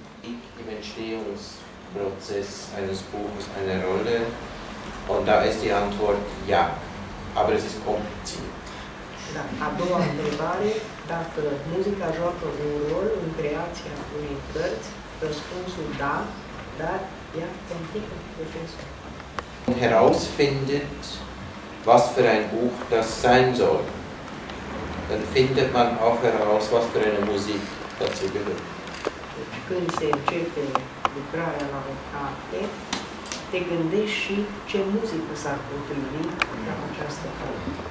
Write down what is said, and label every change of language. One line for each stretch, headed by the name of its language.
German: Im Entstehungsprozess eines Buches eine Rolle? Und da ist die Antwort ja, aber es ist kompliziert.
Romanian: Da, a doua întrebare, dacă muzica joacă un rol în creația unei cărți, răspunsul da, dar ea complică procesul.
German: Herausfindet, was für ein Buch das sein soll, dann findet man auch heraus, was für eine Musik dazu gehört.
Romanian: Deci când se începe lucrarea la o carte, te gândești și ce muzică s-ar potrivi la această carte.